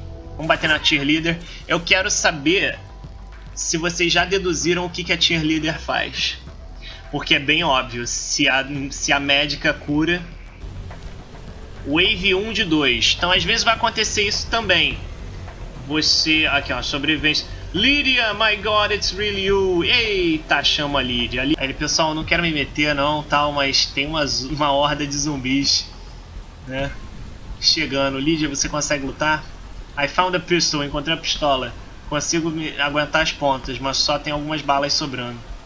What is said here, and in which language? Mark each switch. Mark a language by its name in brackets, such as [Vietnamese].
[Portuguese] Vamos bater na cheerleader. Eu quero saber se vocês já deduziram o que a cheerleader faz. Porque é bem óbvio. Se a médica cura. Wave 1 de 2. Então às vezes vai acontecer isso também. Você. Aqui, ó. Sobrevivência. [English] Lydia, my god, it's really you. [Portuguese] Eita, chama a Lydia. Aí ele, pessoal, não quero me meter não, tal, mas tem uma horda de zumbis, né? Chegando. Lydia, você consegue lutar? [English] I found a pistol, [Portuguese] encontrei a pistola. Consigo me aguentar as pontas, mas só tem algumas balas sobrando.